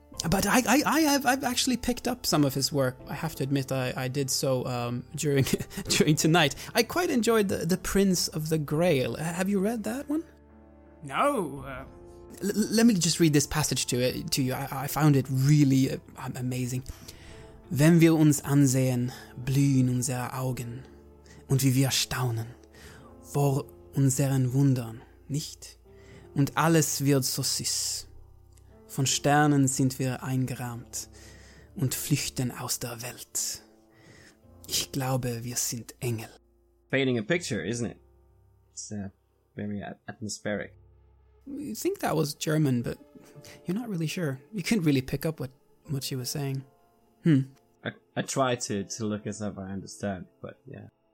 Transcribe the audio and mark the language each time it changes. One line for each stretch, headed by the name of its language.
English: But I've actually picked up some of his work. I have to admit, I did so during during tonight. I quite enjoyed the Prince of the Grail. Have you read that one? No. Let me just read this passage to you. I found it really amazing.
German: Wenn wir uns ansehen, blühen unsere Augen. Und wie wir staunen vor unseren Wundern, nicht? Und alles wird so süß. Von Sternen sind wir eingerahmt und flüchten aus der Welt. Ich glaube, wir sind Engel.
English: Painting a picture, isn't it? It's very atmospheric. You think that was German, but you're not really sure. You couldn't really pick up what she was saying. I try to look as if I understand, but yeah.